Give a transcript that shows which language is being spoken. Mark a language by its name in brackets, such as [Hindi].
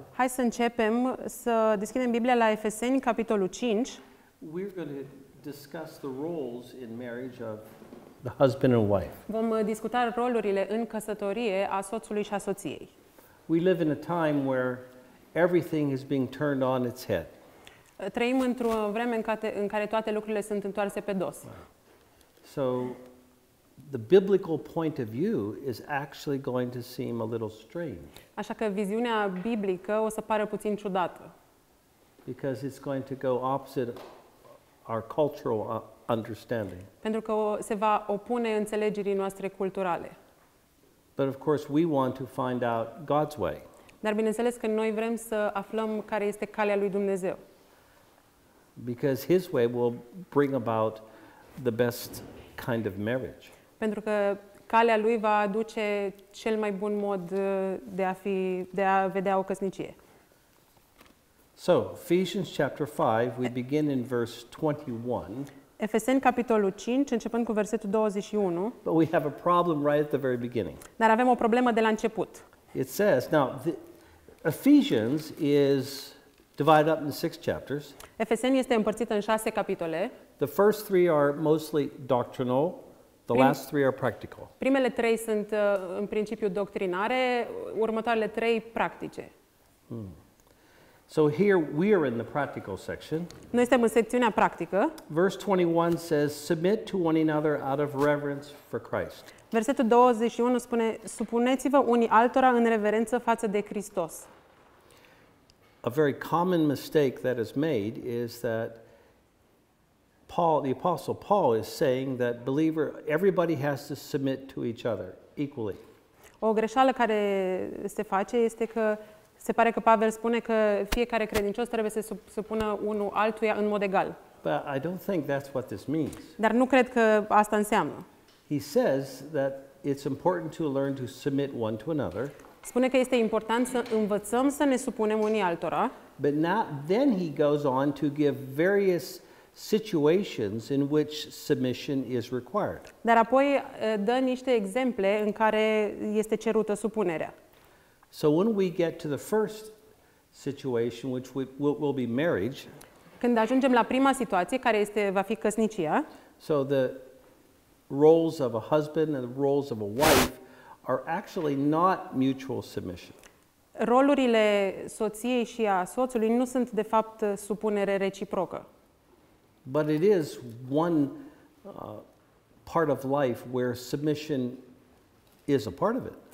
[Romanian] Hai să începem să deschidem Biblia la Efeseni capitolul 5. [English] We're going to discuss the roles in marriage of the husband and wife. [Romanian] Vom discuta rolurile în căsătorie a soțului și a soției. [English] We live in a time where everything is being turned on its head. [Romanian] Trăim într-o vreme în care toate lucrurile sunt întoarse pe dos. [English] So the biblical point of view is actually going to seem a little strange. [Romanian] Așa că viziunea biblică o să pară puțin ciudată. [English] Because it's going to go opposite our cultural understanding. [Romanian] Pentru că se va opune înțelegerii noastre culturale. [English] But of course we want to find out God's way. [Romanian] Dar bineînțeles că noi vrem să aflăm care este calea lui Dumnezeu. [English] Because his way will bring about the best kind of marriage. [Romanian] Pentru că calea lui va aduce cel mai bun mod de a fi, de a vedea o căsnicie. [English] So, Ephesians chapter 5, we begin in verse 21. [Romanian] Efeseni capitolul 5, începând cu versetul 21. [English] But we have a problem right at the very beginning. [Romanian] Dar avem o problemă de la început. [English] It says, now, Ephesians is divided up in 6 chapters. [Romanian] Efeseni este împărțit în 6 capitole. [English] The first 3 are mostly doctrinal. The last 3 are practical. [Romanian] Primele 3 sunt în principiu doctrinare, următoarele 3 practice. Hmm. [English] So here we are in the practical section. [Romanian] Noi suntem în secțiunea practică. [English] Verse 21 says, submit to one another out of reverence for Christ. [Romanian] Versetul 21 spune, supuneți-vă unii altora în reverență față de Hristos. [English] A very common mistake that is made is that the apostle Paul is saying that everybody has to submit to each other equally. [Romanian] O greșeală care se face este că se pare că Pavel spune că fiecare credincios trebuie să se supună unul altuia în mod egal. [English] But I don't think that's what this means. [Romanian] Dar nu cred că asta înseamnă. [English] He says that it's important to learn to submit one to another. [Romanian] Spune că este important să învățăm să ne supunem unii altora. [English] But now, then he goes on to give various situations in which submission is required. [Romanian] Dar apoi dă niște exemple în care este cerută supunerea. [English] So when we get to the first situation, which will be marriage, [Romanian] când ajungem la prima situație care este va fi căsnicia, [English] so the roles of a husband and the roles of a wife are actually not mutual submission. [Romanian] Rolurile soției și a soțului nu sunt de fapt supunere reciprocă. [English] But it is one part of life where submission is a part of it.